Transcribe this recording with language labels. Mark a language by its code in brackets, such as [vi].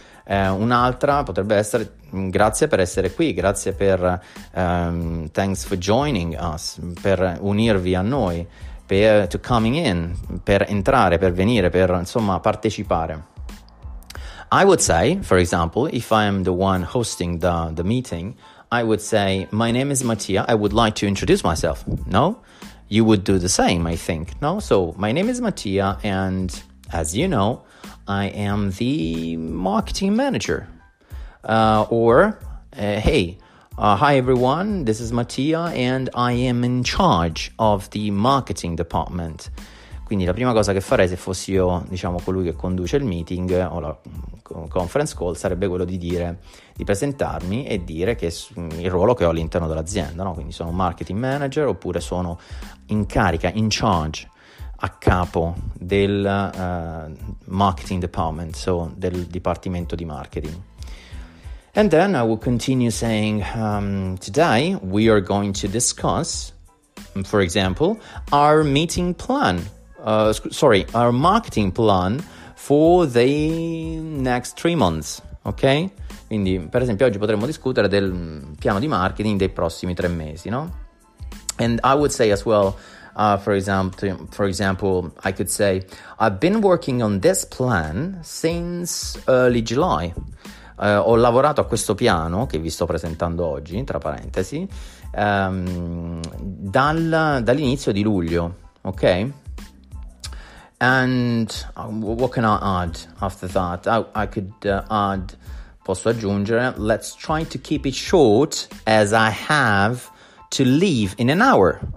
[it] Un'altra potrebbe essere grazie per essere qui, grazie per [en] thanks for joining us, [it] per unirvi a noi, per [en] to coming in, [it] per entrare, per venire, per insomma partecipare. [en] I would say, for example, if I am the one hosting the meeting, I would say, my name is Mattia, I would like to introduce myself. No? You would do the same, I think. No? So, my name is Mattia, and as you know, I am the marketing manager. Hi everyone, this is Mattia, and I am in charge of the marketing department. [it] Quindi la prima cosa che farei se fossi io, diciamo, colui che conduce il meeting o la conference call sarebbe quello di dire, di presentarmi e dire che il ruolo che ho all'interno dell'azienda, no? Quindi sono marketing manager oppure sono in carica, [en] in charge, [it] a capo del marketing department, so del dipartimento di marketing. [en] And then I will continue saying, today we are going to discuss, for example, our meeting plan. Our marketing plan for the next 3 months, ok? [it] Quindi, per esempio, oggi potremmo discutere del piano di marketing dei prossimi 3 mesi, no? [en] And I would say as well, for example, I could say, I've been working on this plan since early July. [it] Ho lavorato a questo piano che vi sto presentando oggi, tra parentesi, dall'inizio di luglio, ok? [en] And what can I add after that? I could add, [it] posso aggiungere, [en] let's try to keep it short as I have to leave in an hour.